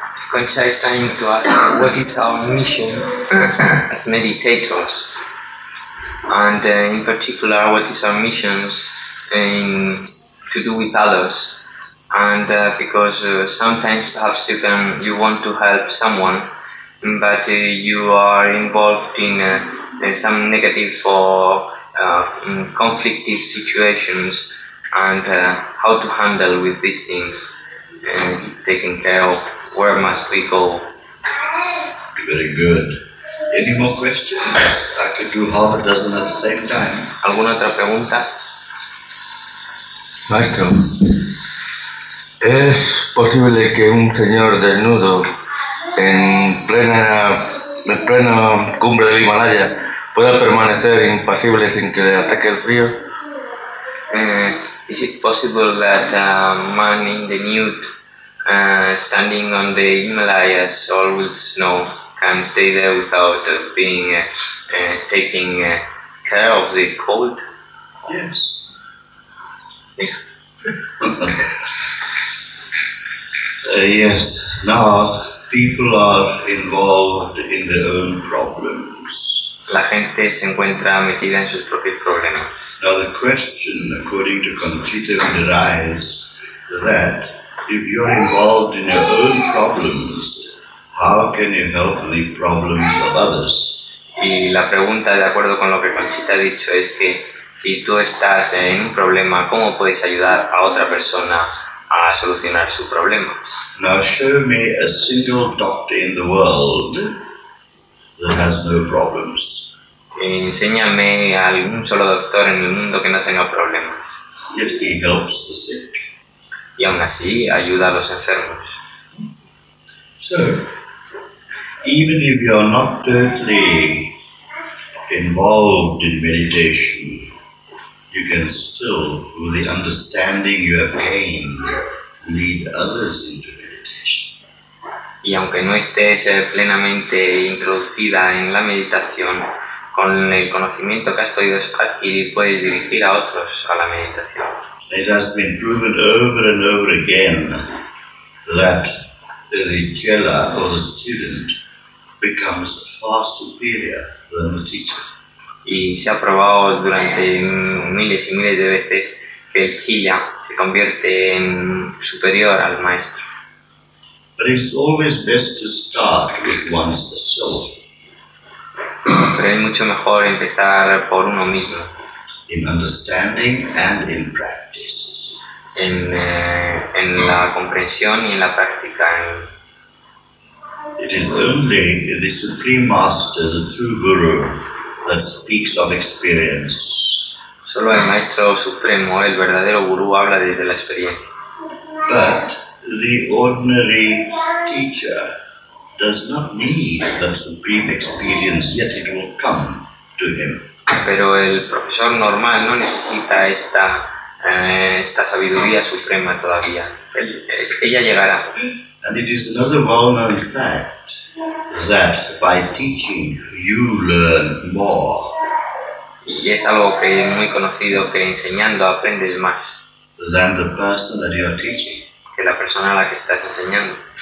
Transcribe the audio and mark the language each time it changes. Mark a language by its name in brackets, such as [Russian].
[English] Concha is trying to ask what is our mission as meditators, and in particular what is our mission to do with others, and because sometimes perhaps you want to help someone, but you are involved in some negative or conflictive situations, and how to handle with these things, taking care of. Where must we go? Very good. Any more questions? I could do half a dozen at the same time. [Spanish] ¿Alguna otra pregunta? Michael, ¿es posible que un señor desnudo en plena cumbre del Himalaya pueda permanecer impasible sin que le ataque el frío? [English] Is it possible that a man in the nude standing on the Himalayas all with snow can stay there without being taking care of the cold? Yes. Yes. Now, people are involved in their own problems. [Spanish] La gente se encuentra metida en sus propios problemas. [English] Now, the question, according to Conchita, arises that if you're involved in your own problems, how can you help the problems of others? [Spanish] Y la pregunta, de acuerdo con lo que Conchita ha dicho, es que si tú estás en un problema, ¿cómo puedes ayudar a otra persona a solucionar su problema? [English] Now show me a single doctor in the world that has no problems. [Spanish] Enséñame a algún solo doctor en el mundo que no tenga problemas. [English] Yet he helps the sick. [Spanish] Y aún así ayuda a los enfermos. [English] So, even if you are not totally involved in meditation, you can still, with the understanding you have gained, lead others into meditation. [Spanish] Y aunque no estés plenamente introducida en la meditación, con el conocimiento que has podido adquirir, puedes dirigir a otros a la meditación. [English] It has been proven over and over again that the chela or the student becomes far superior than the teacher. [Spanish] Y se ha probado durante miles y miles de veces que el chela se convierte en superior al maestro. [English] But it's always best to start with one's self. [Spanish] Pero es mucho mejor empezar por uno mismo. [English] In understanding and in practice. [Spanish] En la comprensión y en la práctica. [English] It is only the Supreme Master, the true Guru, that speaks of experience. [Spanish] Solo el Maestro Supremo, el verdadero Guru, habla desde la experiencia. [English] But the ordinary teacher does not need that supreme experience, yet it will come to him. [Spanish] Pero el profesor normal no necesita esta sabiduría suprema todavía. Ella llegará. [English] And it is another well-known fact that by teaching you learn more. [Spanish] Y es algo que es muy conocido que enseñando aprendes más. [English] Than the person that you are teaching. [Spanish] Que la persona a la que estás enseñando.